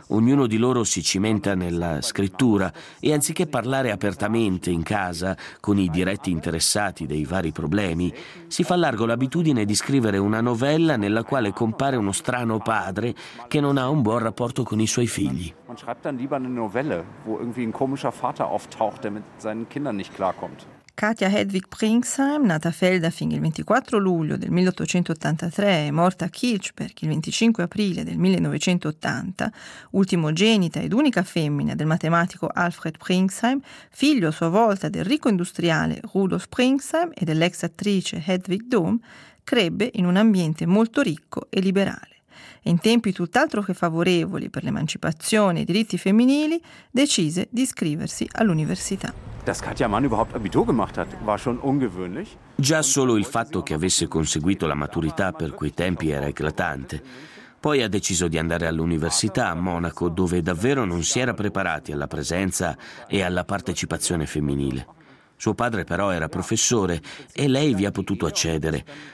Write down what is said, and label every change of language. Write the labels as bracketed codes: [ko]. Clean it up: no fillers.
[it] Ognuno di loro si cimenta nella scrittura e anziché parlare apertamente in casa con i diretti interessati dei vari problemi, si fa largo l'abitudine di scrivere una novella nella quale compare uno strano padre che non ha un buon rapporto con i suoi figli. [de] Man schreibt dann lieber eine Novelle, wo irgendwie ein komischer Vater auftaucht, der mit seinen Kindern nicht klarkommt. [it] Katja Hedwig Pringsheim, nata a Feldafing il 24 luglio del 1883 e morta a Kilchberg il 25 aprile del 1980, ultimogenita ed unica femmina del matematico Alfred Pringsheim, figlio a sua volta del ricco industriale Rudolf Pringsheim e dell'ex attrice Hedwig Dom, crebbe in un ambiente molto ricco e liberale. E in tempi tutt'altro che favorevoli per l'emancipazione e i diritti femminili, decise di iscriversi all'università. [de] Dass Katja Mann überhaupt Abitur gemacht hat, war schon ungewöhnlich. [it] Già solo il fatto che avesse conseguito la maturità per quei tempi era eclatante. Poi ha deciso di andare all'università a Monaco, dove davvero non si era preparati alla presenza e alla partecipazione femminile. Suo padre però era professore e lei vi ha potuto accedere.